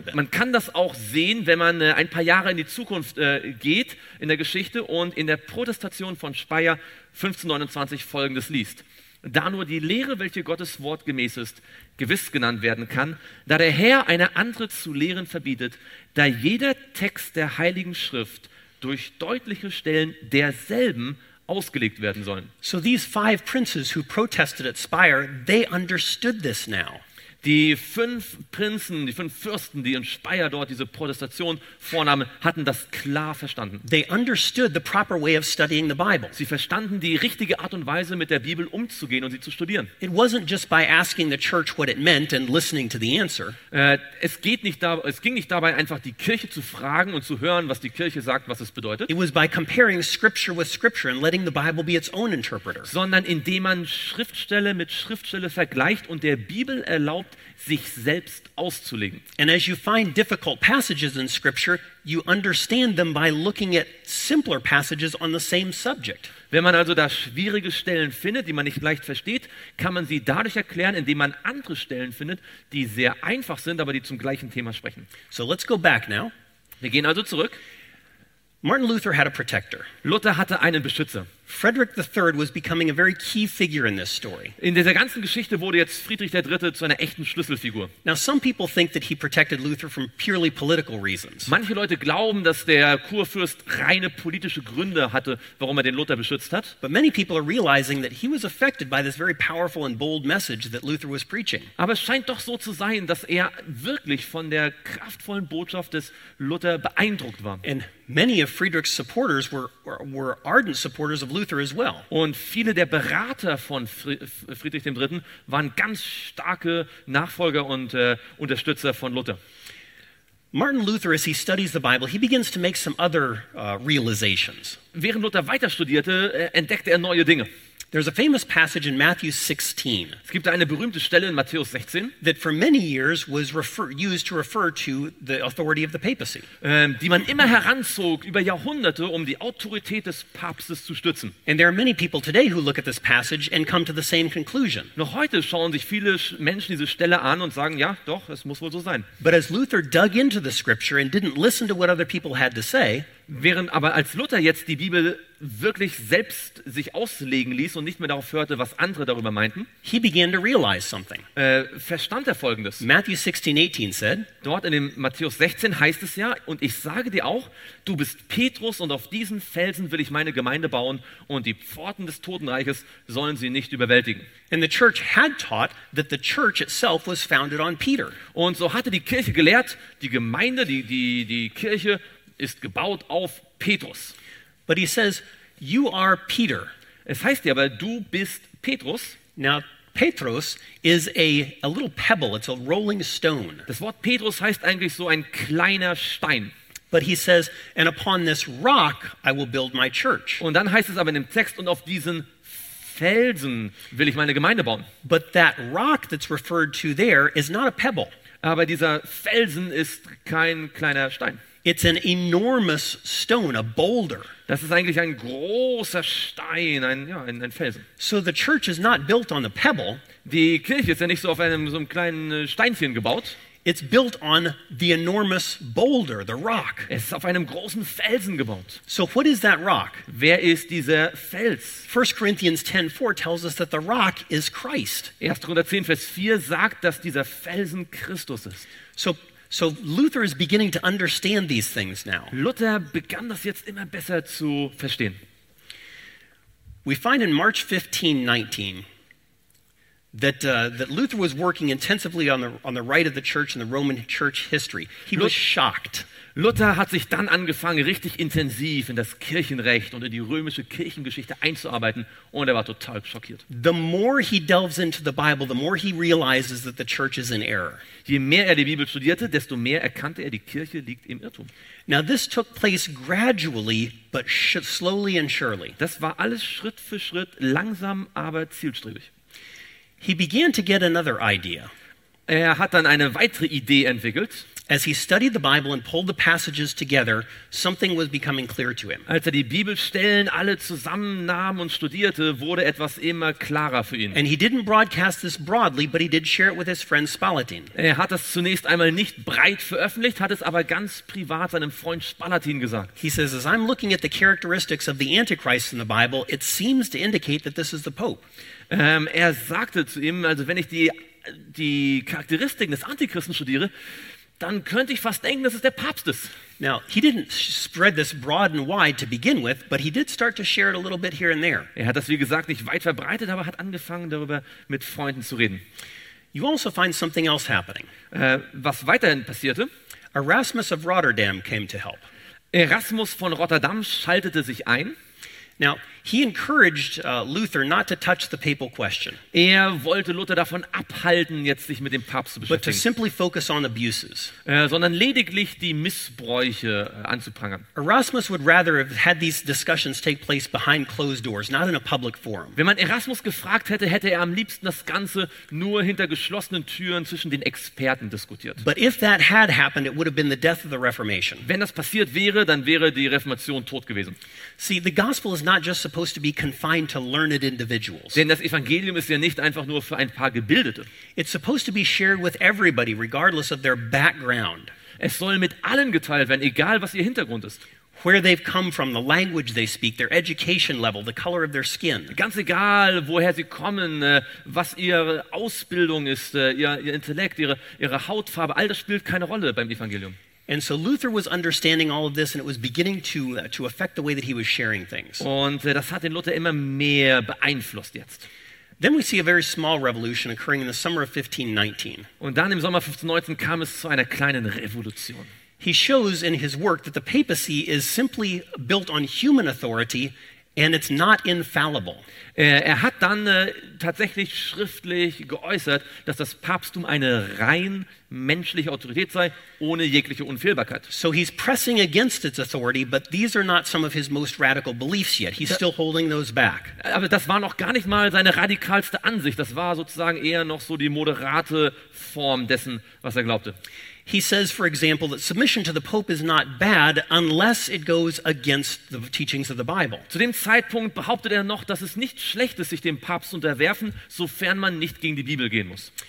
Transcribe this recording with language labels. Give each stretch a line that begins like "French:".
German: man, bit. Man kann das auch sehen, wenn man ein paar Jahre in die Zukunft geht in der Geschichte und in der Protestation von Speyer 1529 folgendes liest. Da nur die Lehre, welche Gottes Wort gemäß ist, gewiss genannt werden kann, da der Herr eine andere zu lehren verbietet, da jeder Text der Heiligen Schrift durch deutliche Stellen derselben ausgelegt werden sollen.
English: So these five princes who protested at Speyer, they understood this now.
German: Die fünf Prinzen, die fünf Fürsten, die in Speyer dort diese Protestation vornahmen, hatten das klar verstanden.
English: They understood the proper way of studying the Bible.
German: Sie verstanden die richtige Art und Weise, mit der Bibel umzugehen und sie zu studieren.
English: It wasn't just by asking the church what it meant and listening to the answer.
German: Es ging nicht dabei einfach die Kirche zu fragen und zu hören, was die Kirche sagt, was es bedeutet.
English: It was by comparing scripture with scripture and letting the Bible be its own interpreter.
German: Sondern indem man Schriftstelle mit Schriftstelle vergleicht und der Bibel erlaubt, sich selbst auszulegen.
English: And as you find difficult passages in scripture, you understand them by looking at simpler passages on the same subject.
German: Wenn man also da schwierige Stellen findet, die man nicht leicht versteht, kann man sie dadurch erklären, indem man andere Stellen findet, die sehr einfach sind, aber die zum gleichen Thema sprechen.
English: So let's go back now.
German: Wir gehen also zurück.
English: Martin Luther had a protector.
German: Luther hatte einen Beschützer.
English: Frederick III was becoming a very key figure in this story.
German: In dieser ganzen Geschichte wurde jetzt Friedrich III zu einer echten Schlüsselfigur.
English: Now some people think that he protected Luther from purely political reasons.
German: Manche Leute glauben, dass der Kurfürst reine politische Gründe hatte, warum er den Luther beschützt hat.
English: But many people are realizing that he was affected by this very powerful and bold message that Luther was preaching.
German: Aber es scheint doch so zu sein, dass er wirklich von der kraftvollen Botschaft des Luther beeindruckt war.
English: And many of Friedrich's supporters were ardent supporters of Luther as well.
German: Und viele der Berater von Friedrich III. Waren ganz starke Nachfolger und Unterstützer von Luther.
English: Martin Luther, as he studies the Bible, he begins to make some other realizations.
German: Während Luther weiter studierte, entdeckte er neue Dinge.
English: There's a famous passage in Matthew 16.
German: Es gibt eine berühmte Stelle in Matthäus 16,
English: that for many years was used to refer to the authority of the papacy.
German: Die man immer heranzog über Jahrhunderte, um die Autorität des Papstes zu stützen.
English: And there are many people today who look at this passage and come to the same conclusion.
German: Noch heute schauen sich viele Menschen diese Stelle an und sagen, ja, doch, es muss wohl so sein.
English: But as Luther dug into the scripture and didn't listen to what other people had to say,
German: während aber als Luther jetzt die Bibel wirklich selbst sich auslegen ließ und nicht mehr darauf hörte, was andere darüber meinten,
English: he began to realize something.
German: Verstand er Folgendes.
English: Matthew 16, 18 said,
German: dort in dem Matthäus 16 heißt es ja, und ich sage dir auch, du bist Petrus und auf diesen Felsen will ich meine Gemeinde bauen und die Pforten des Totenreiches sollen sie nicht überwältigen.
English: And the church had taught that the church itself was founded on Peter.
German: Und so hatte die Kirche gelehrt, die Gemeinde, die Kirche ist gebaut auf Petrus.
English: But he says, you are Peter.
German: Es heißt ja, aber du bist Petrus.
English: Now, Petrus is a little pebble. It's a rolling stone.
German: Das Wort Petrus heißt eigentlich so ein kleiner Stein.
English: But he says, and upon this rock I will build my church.
German: Und dann heißt es aber in dem Text, und auf diesen Felsen will ich meine Gemeinde bauen.
English: But that rock that's referred to there is not a pebble.
German: Aber dieser Felsen ist kein kleiner Stein.
English: It's an enormous stone, a boulder.
German: Das ist eigentlich ein großer Stein, ein Felsen.
English: So the church is not built on the pebble.
German: Die Kirche ist ja nicht so auf einem kleinen Steinchen gebaut.
English: It's built on the enormous boulder, the rock.
German: Es ist auf einem großen Felsen gebaut.
English: So what is that rock?
German: Wer ist dieser Fels?
English: 1 Corinthians 10:4 tells us that the rock is Christ.
German: 1. Korinther 10, Vers 4 sagt, dass dieser Felsen Christus ist.
English: So Luther is beginning to understand these things now.
German: Luther begann das jetzt immer besser zu verstehen.
English: We find in March 15:19 that Luther was working intensively on the right of the church in the Roman church history. He was shocked.
German: Luther hat sich dann angefangen, richtig intensiv in das Kirchenrecht und in die römische Kirchengeschichte einzuarbeiten, und er war total schockiert.
English: The more he delves into the Bible, the more he realizes that the church is in error.
German: Je mehr er die Bibel studierte, desto mehr erkannte er, die Kirche liegt im Irrtum.
English: Now this took place gradually, but slowly and surely.
German: Das war alles Schritt für Schritt, langsam aber zielstrebig.
English: He began to get another idea.
German: Er hat dann eine weitere Idee entwickelt.
English: As he studied the Bible and pulled the passages together, something was becoming clear to him.
German: Als er die Bibelstellen alle zusammennahm und studierte, wurde etwas immer klarer für ihn.
English: And he didn't broadcast this broadly, but he did share it with his friend Spalatin.
German: Er hat das zunächst einmal nicht breit veröffentlicht, hat es aber ganz privat seinem Freund Spalatin gesagt.
English: He says, as I'm looking at the characteristics of the Antichrist in the Bible, it seems to indicate that this is the Pope.
German: Er sagte zu ihm, also wenn ich die Charakteristiken des Antichristen studiere, dann könnte ich fast denken, dass es der Papst ist.
English: Now, he didn't spread this broad and wide to begin with, but he did start to share it a little bit here and there.
German: Er hat das, wie gesagt, nicht weit verbreitet, aber hat angefangen, darüber mit Freunden zu reden.
English: You also find something else happening.
German: Was weiterhin passierte?
English: Erasmus of Rotterdam came to help.
German: Erasmus von Rotterdam schaltete sich ein.
English: Now, he encouraged Luther not to touch the papal question.
German: Er wollte Luther davon abhalten, jetzt sich mit dem Papst zu beschäftigen.
English: But to simply focus on abuses.
German: Sondern lediglich die Missbräuche anzuprangern.
English: Erasmus would rather have had these discussions take place behind closed doors, not in a public forum.
German: Wenn man Erasmus gefragt hätte, hätte er am liebsten das Ganze nur hinter geschlossenen Türen zwischen den Experten diskutiert.
English: But if that had happened, it would have been the death of the Reformation.
German: Wenn das passiert wäre, dann wäre die Reformation tot gewesen.
English: See, the gospel is not just supposed to be confined to learned individuals.
German: Denn das Evangelium ist ja nicht einfach nur für ein paar Gebildete.
English: It's supposed to be shared with everybody, regardless of their background.
German: Es soll mit allen geteilt werden, egal was ihr Hintergrund ist.
English: Where they've come from, the language they speak, their education level, the color of their skin.
German: Ganz egal, woher sie kommen, was ihre Ausbildung ist, ihr Intellekt, ihre Hautfarbe, all das spielt keine Rolle beim Evangelium.
English: And so Luther was understanding all of this, and it was beginning to affect the way that he was sharing things.
German: Und das hat den Luther immer mehr beeinflusst jetzt.
English: Then we see a very small revolution occurring in the summer of 1519.
German: Und dann im Sommer 1519 kam es zu einer kleinen Revolution.
English: He shows in his work that the papacy is simply built on human authority, and it's not infallible.
German: Er hat dann tatsächlich schriftlich geäußert, dass das Papsttum eine rein menschliche Autorität sei, ohne jegliche Unfehlbarkeit.
English: So he's pressing against its authority, but these are not some of his most radical beliefs yet. He's still holding those back.
German: Aber das war noch gar nicht mal seine radikalste Ansicht. Das war sozusagen eher noch so die moderate Form dessen, was er glaubte.
English: He says, for example, that submission to the Pope is not bad unless it goes against the teachings of the Bible.
German: Zu dem Zeitpunkt behauptet er noch, dass es nicht schlecht ist, sich dem Papst zu unterwerfen, sofern man nicht gegen die Bibel gehen muss.